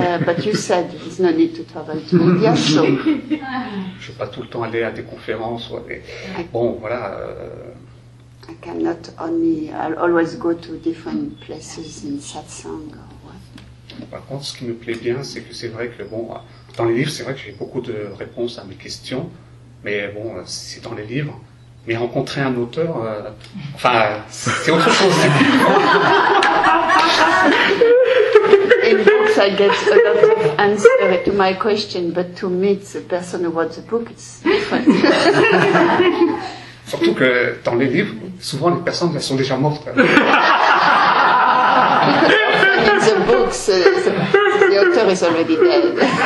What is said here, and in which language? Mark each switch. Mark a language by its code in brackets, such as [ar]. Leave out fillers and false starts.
[en] But you said there's no need to travel to India, so... [fr] Je ne vais pas tout le temps aller à des conférences. Mais... Bon, voilà. [en] I cannot only... I'll always go to different places in satsang or what. [fr] Par contre, ce qui me plaît bien, c'est que c'est vrai que, bon, dans les livres, c'est vrai que j'ai beaucoup de réponses à mes questions. Mais bon, c'est dans les livres. Mais rencontrer un auteur, c'est autre chose. [en] In books, I get a lot of answers to my question, but to meet the person who wrote the book, it's different. [fr] Surtout que dans les livres, souvent les personnes elles sont déjà mortes. [en] In the books, the author is already dead.